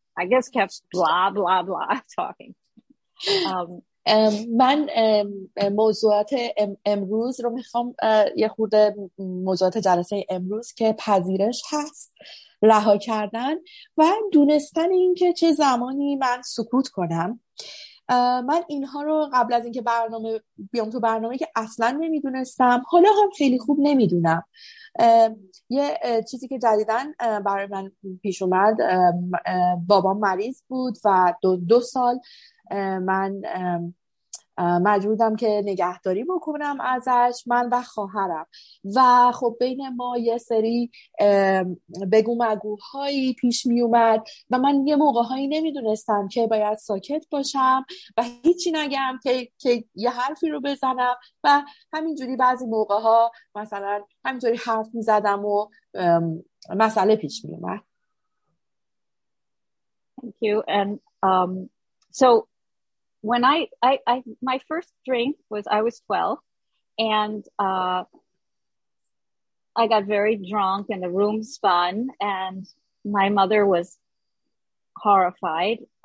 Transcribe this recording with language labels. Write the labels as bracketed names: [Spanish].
[English] I guess kept blah blah blah talking. [Persian] من موضوعات امروز رو میخوام، یه خورده موضوعات جلسه امروز که پذیرش هست، رها کردن و دونستن این که چه زمانی من سکوت کنم. من اینها رو قبل از اینکه برنامه بیام تو برنامه که اصلا نمیدونستم، حالا هم خیلی خوب نمیدونم. یه چیزی که جدیدن برای من پیش اومد، بابام مریض بود و دو سال من مجبور بودم که نگهداری بکنم ازش، من و خواهرم. و خب بین ما یه سری بگو مگوهایی پیش می اومد و من یه موقعهایی نمیدونستم که باید ساکت باشم و هیچی نگم که یه حرفی رو بزنم، و همینجوری بعضی موقعها مثلا همینجوری حرف می زدم و مسئله پیش می اومد. [English] Thank you. And so when I my first drink was I was 12, and I got very drunk and the room spun and my mother was horrified.